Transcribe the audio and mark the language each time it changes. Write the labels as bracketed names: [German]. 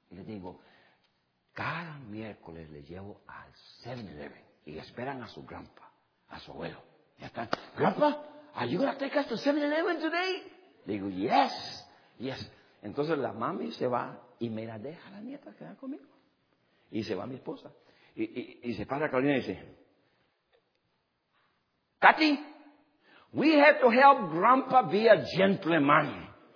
[Spanish] Y les digo, cada miércoles le llevo al 7-Eleven y esperan a su grandpa, a su abuelo. Y están, [English] grandpa, are you going to take us to 7-Eleven today? [Spanish] Le digo, [English] yes, yes. [Spanish] Entonces la mami se va y me la deja la nieta quedar conmigo. Y se va mi esposa. Y se para Carolina y dice, [English] Katy, we have to help Grandpa be a gentleman.